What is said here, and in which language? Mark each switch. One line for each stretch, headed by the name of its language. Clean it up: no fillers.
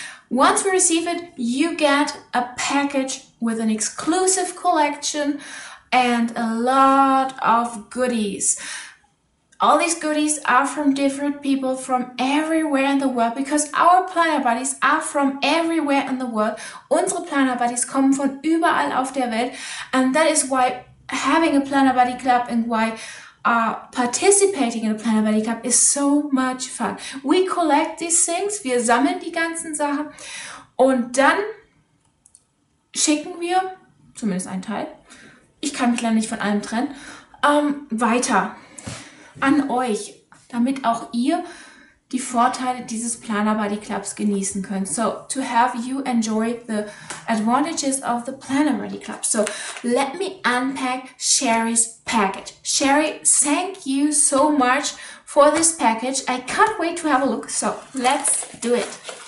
English: Once we receive it, you get a package with an exclusive collection and a lot of goodies. All these goodies are from different people from everywhere in the world because our Planner Buddies are from everywhere in the world.
German: Unsere Planner Buddies kommen von überall auf der Welt.
English: And that is why having a Planner Buddy Club and why participating in a Planner Buddy Club is so much fun. We collect these things,
German: wir sammeln die ganzen Sachen und dann schicken wir, zumindest einen Teil, ich kann mich leider nicht von allem trennen, weiter. An euch, damit auch ihr die Vorteile dieses Planner Buddy Clubs genießen könnt.
English: So, to have you enjoy the advantages of the Planner Buddy Club. So, let me unpack Sherry's package. Sherry, thank you so much for this package. I can't wait to have a look. So, let's do it.